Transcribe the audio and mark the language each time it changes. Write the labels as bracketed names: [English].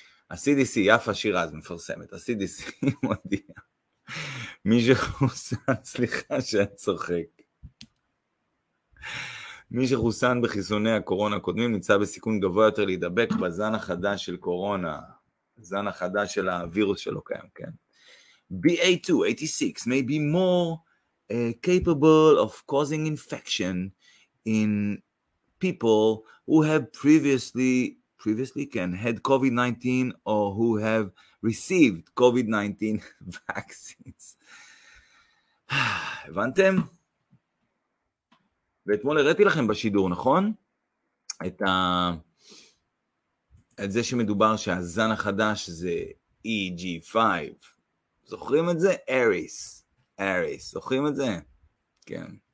[Hebrew] ה-CDC, יפה שירה, אז מפרסמת, ה-CDC מודיע. מי שחוסן, סליחה שאני צוחק. מי שחוסן בחיסוני הקורונה הקודמים, נמצא בסיכון גבוה יותר להידבק בזן החדש של קורונה. זן החדש של הווירוס שלו קיים, כן? [English] BA2-86 may be more capable of causing infection in people who have previously can had COVID-19 or who have received COVID-19 vaccines. [Hebrew] הבנתם? ואתמול הראיתי לכם בשידור, נכון? את זה שמדובר שהזן החדש זה EG5. זוכרים את זה? Aries, זוכרים את זה? כן.